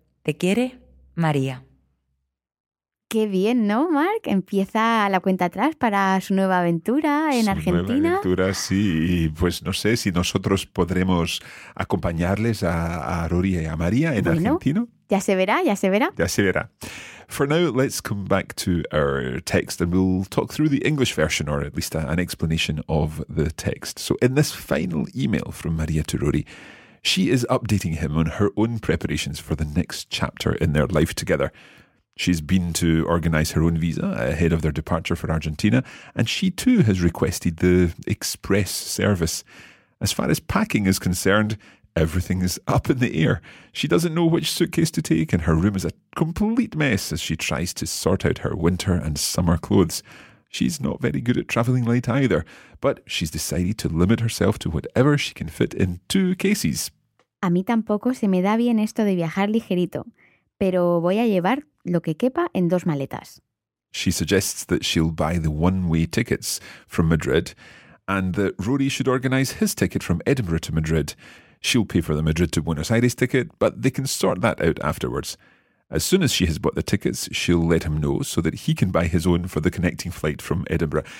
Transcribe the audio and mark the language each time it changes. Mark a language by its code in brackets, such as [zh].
[es] Te quiere, María. Qué bien, ¿no, Marc? Empieza la cuenta atrás para su nueva aventura en su Argentina. Su nueva aventura, sí. Y pues no sé si nosotros podremos acompañarles a Rory y a María en Argentina. Ya se verá, ya se verá. Ya se verá. [en] For now, let's come back to our text and we'll talk through the English version or at least an explanation of the text. So in this final email from María to Rory, she is updating him on her own preparations for the next chapter in their life together. She's been to organise her own visa ahead of their departure for Argentina, and she too has requested the express service. As far as packing is concerned, everything is up in the air. She doesn't know which suitcase to take, and her room is a complete mess as she tries to sort out her winter and summer clothes. She's not very good at travelling light either, but she's decided to limit herself to whatever she can fit in two cases. [es] A mí tampoco se me da bien esto de viajar ligerito, pero voy a llevar lo que quepa en dos maletas. [en] She suggests that she'll buy the one-way tickets from Madrid and that Rory should organise his ticket from Edinburgh to Madrid. She'll pay for the Madrid to Buenos Aires ticket, but they can sort that out afterwards. As soon as she has bought the tickets, she'll let him know so that he can buy his own for the connecting flight from Edinburgh.